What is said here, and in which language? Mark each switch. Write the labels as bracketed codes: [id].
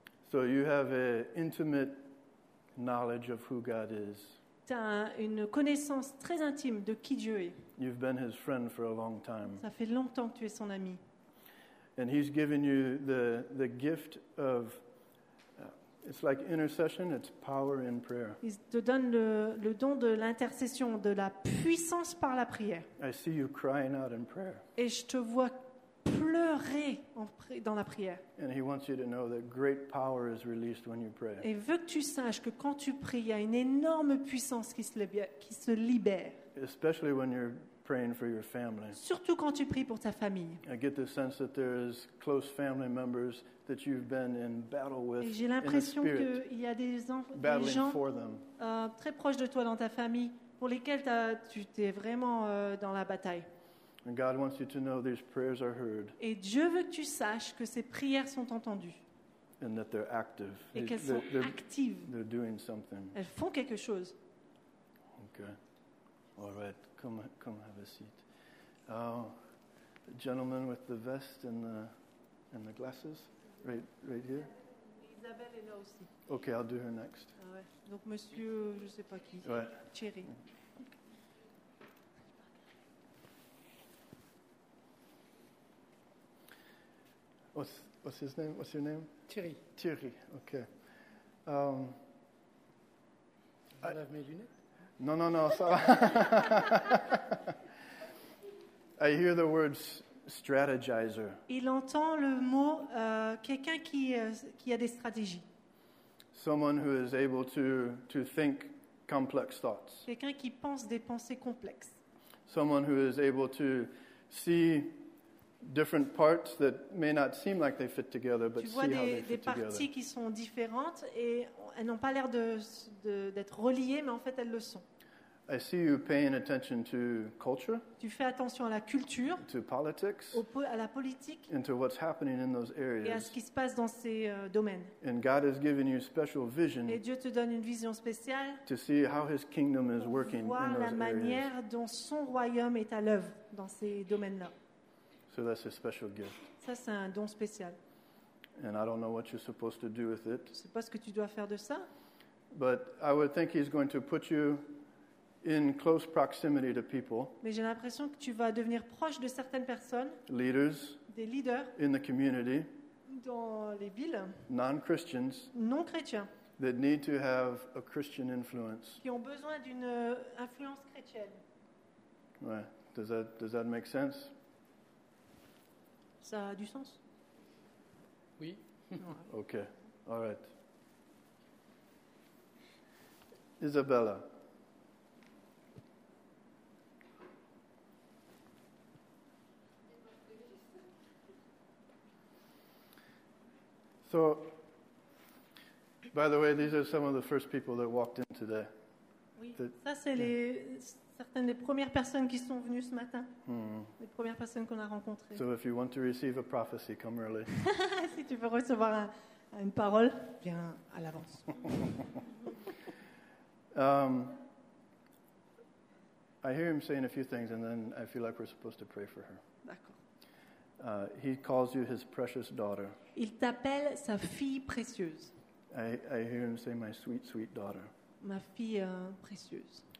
[en] So you have an intimate knowledge of who God is. [fr] Tu as une connaissance très intime de qui Dieu est. [en] You've been his friend for a long time. [fr] Ça fait longtemps que tu es son ami. [en] And he's given you the gift of it's like intercession, it's power in prayer. [fr] Il te donne le don de l'intercession, de la puissance par la prière. [en] I see you crying out in prayer. [fr] Et je te vois pleurer dans la prière. [en] And he wants you to know that great power is released when you pray. [fr] Et veut que tu saches que quand tu pries, il y a une énorme puissance qui se libère. [en] Especially when you're praying for your family. [fr] Surtout quand tu pries pour ta famille. [en] I get the sense that there is close family members that you've been in battle with. [fr] Et j'ai l'impression qu'il y a des gens très proches de toi dans ta famille pour lesquels tu es vraiment dans la bataille. [en] And God wants you to know these prayers are heard. [fr] Et Dieu veut que tu saches que ces prières sont entendues. [en] And that they're active. [fr] Et qu'elles sont actives. [en] They're doing something. [fr] Elles font quelque chose. [en] Okay. All right. Come have a seat. The gentleman with the vest and the glasses, right here. [fr] Isabelle est là aussi. [en] Okay, I'll do her next. [fr] Ouais. Donc monsieur, je sais pas qui. Ouais. Thierry. [en] What's his name? What's your name? Thierry. Thierry. Okay. I have my lunettes. No. So I hear the word strategizer. [fr] Il entend le mot quelqu'un qui a des stratégies. [en] Someone who is able to think complex thoughts. [fr] Quelqu'un qui pense des pensées complexes. [en] Someone who is able to see different parts that may not seem like they fit together, but see how they fit together. [fr] Tu vois des parties qui sont différentes et elles n'ont pas l'air d'être reliées, mais en fait elles le sont. [en] I see you paying attention to culture. [fr] Tu fais attention à la culture. [en] To politics. [fr] À la politique. [en] And to what's happening in those areas. [fr] Et à ce qui se passe dans ces domaines. [en] And God has given you special vision. [fr] Et Dieu te donne une vision spéciale. [en] To see how His kingdom is working in those areas. [fr] Voir la manière dont son royaume est à l'œuvre dans ces domaines-là. [en] So that's a special gift. [fr] Ça, c'est un don spécial. [en] And I don't know what you're supposed to do with it. [fr] Je sais pas ce que tu dois faire de ça. [en] But I would think He's going to put you in close proximity to people. [fr] Mais j'ai l'impression que tu vas devenir proche de certaines personnes. [en] Leaders. [fr] Des leaders. [en] In the community. [fr] Dans les villes. [en] Non-Christians. [fr] Non-chrétiens. [en] That need to have a Christian influence. [fr] Qui ont besoin d'une influence chrétienne. [en] Ouais. Does that make sense? [fr] Ça a du sens? Oui. [en] Okay. All right. Isabella. So, by the way, these are some of the first people that walked in today. [fr] Oui, ça c'est certaines des premières personnes qui sont venues ce matin. Les premières personnes qu'on a rencontrées. [en] So if you want to receive a prophecy, come early. [fr] Si tu veux recevoir une parole, viens à l'avance. [en] I hear him saying a few things, and then I feel like we're supposed to pray for her. [fr] D'accord. [en] He calls you his precious daughter. [fr] Il t'appelle sa fille précieuse. [en] I hear him say, my sweet, sweet daughter. [fr] Ma fille précieuse.